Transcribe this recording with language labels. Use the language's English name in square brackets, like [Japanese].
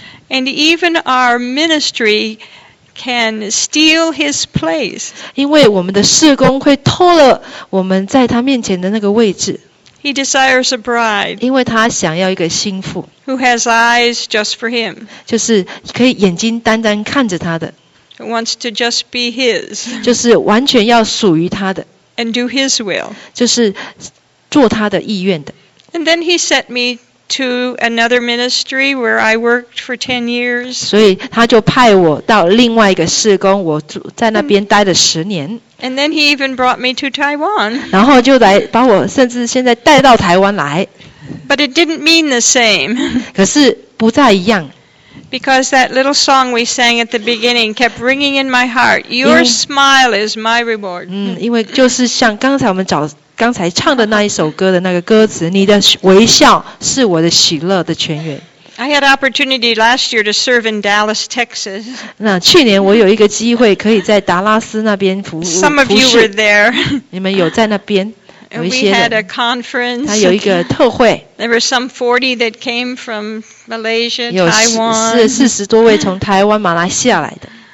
[English] And even our ministry can steal his place. [Chinese] 因为我们的事工会偷了我们在他面前的那个位置。 [English] He desires a bride. [Chinese] 因为他想要一个心腹。 [English] Who has eyes just for him. [Chinese] 就是可以眼睛单单看着他的。 [English] Wants to just be his. [Chinese] 就是完全要属于他的。 [English] And do his will. [Chinese] 就是做他的意愿的。 [English] And then he set me. To another ministry where I worked for 10 years. [Chinese] 所以他就派我到另外一个事工，我在那边待了十年。 [English] And then he even brought me to Taiwan. [Chinese] 然后就来把我甚至现在带到台湾来。 [English] But it didn't mean the same. [Chinese] 可是不再一样。 [English] Because that little song we sang at the beginning kept ringing in my heart. Your smile is my reward. [Chinese] 因为就是像刚才我们找。刚才唱的那一首歌的那个歌词，你的微笑是我的喜乐的泉源。 [English] I had opportunity last year to serve in Dallas, Texas. [Chinese] 那去年我有一个机会可以在达拉斯那边服务。 [English] Some of you were there. [Chinese] 你们有在那边？有一些人。 [English] We had a conference. [Chinese] 他有一个特会。 [English] There were some 40 that came from Malaysia, Taiwan. [Chinese] 有40多位从台湾、马来西亚来的。